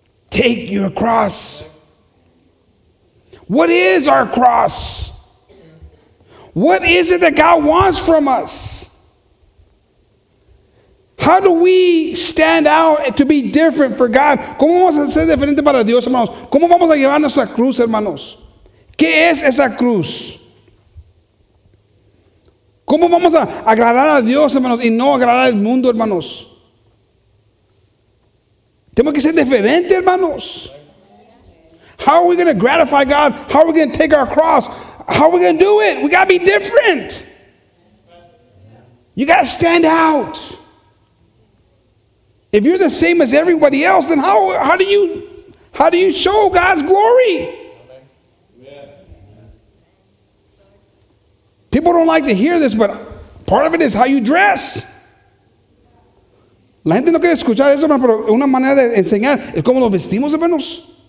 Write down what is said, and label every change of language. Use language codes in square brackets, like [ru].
[en] Take your cross. What is our cross? What is it that God wants from us? How do we stand out to be different for God? [es] ¿Cómo vamos a ser diferente para Dios, hermanos? ¿Cómo vamos a llevar nuestra cruz, hermanos? ¿Qué es esa cruz? ¿Cómo vamos a agradar a Dios, hermanos, y no agradar al mundo, hermanos? Tenemos que ser diferentes, hermanos. [en] How are we going to gratify God? How are we going to take our cross? How are we going to do it? We got to be different. You got to stand out. If you're the same as everybody else, then how do you show God's glory? People don't like to hear this, but part of it is how you dress. [es] La gente no quiere escuchar eso, pero una manera de enseñar es cómo nos vestimos, hermanos.